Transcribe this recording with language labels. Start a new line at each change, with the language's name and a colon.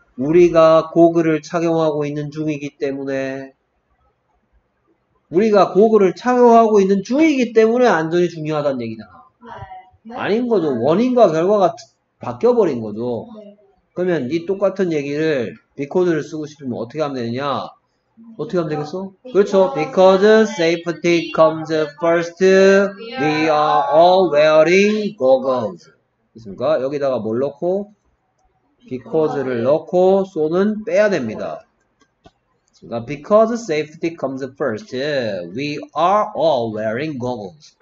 Korean: 우리가 고글을 착용하고 있는 중이기 때문에 안전이 중요하다는 얘기다. 네. 네. 아닌 거죠. 원인과 결과가 바뀌어버린 거죠. 네. 그러면 이 똑같은 얘기를 비코드를 쓰고 싶으면 어떻게 하면 되느냐? 어떻게 하면 되겠어? Because 그렇죠.
English: Because safety comes first, we are all wearing goggles.
Korean: 됐습니까? 여기다가 뭘 넣고? 비코드를 넣고 소는 빼야 됩니다.
English: Because safety comes first, we are all wearing goggles.